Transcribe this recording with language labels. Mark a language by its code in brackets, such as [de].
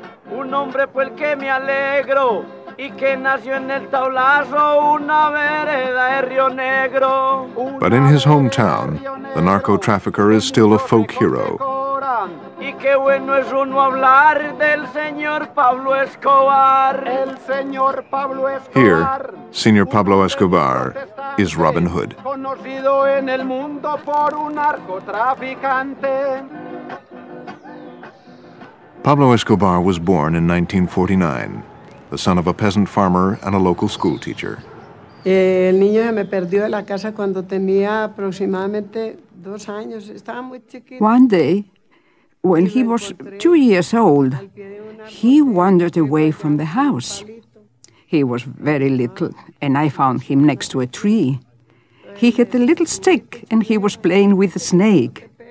[es] Un hombre fue el que me alegro y que nació en el tablazo una vereda de Río Negro. [en] But in his hometown, the narco trafficker is still a folk hero. [es] Y qué bueno es uno hablar del señor Pablo Escobar. El señor Pablo Escobar. [en] Here, Señor Pablo Escobar is Robin Hood. [es] Conocido en el mundo por un narcotraficante. [en] Pablo Escobar was born in 1949, the son of a peasant farmer and a local school teacher. [es] El niño se me perdió de la casa cuando tenía aproximadamente 2 años. Estaba muy chiquito. [en] One day, when he was 2 years old, he wandered away from the house. He was very little, and I found him next to a tree. He had a little stick, and he was playing with a snake.